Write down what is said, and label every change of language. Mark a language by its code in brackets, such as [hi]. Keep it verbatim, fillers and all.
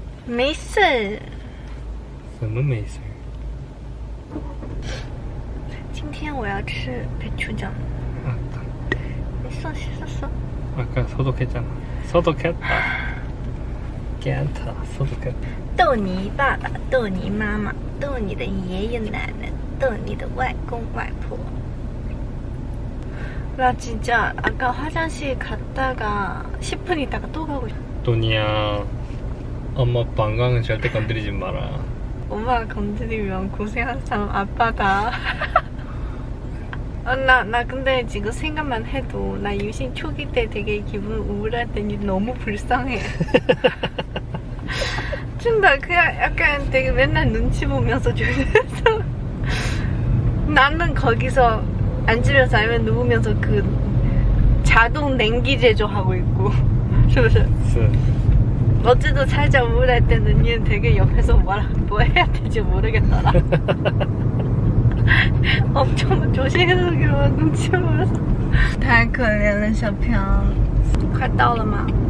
[zh] 没事。什么没事？今天我要吃배추장。啊，没事，没事。 [ko] 아까소독했잖아소독했다괜찮아소독했다 [zh] 逗你爸爸，逗你妈妈，逗你的爷爷奶奶，逗你的外公外婆。 [ko] 나 진짜 아까 화장실 갔다가 십 분 있다가 또 가고 싶어. 도니야, 엄마 방광은 절대 건드리지 마라. 엄마가 건드리면 고생한 사람 아빠다. 어, 나, 나 근데 지금 생각만 해도 나 임신 초기 때 되게 기분 우울했더니 너무 불쌍해. 진짜 그냥 약간 되게 맨날 눈치 보면서 졸면서 나는 거기서 앉으면서 아니면 누우면서 그 자동 냉기 제조하고 있고. [zh] 是不是? 是. [ko] 어제도 살짝 우울할 때는 얘는 되게 옆에서 뭐라, 뭐 해야 될지 모르겠더라. 엄청 조심해서 그런 눈치 보면서. [zh] 太可怜了小飘快到了吗?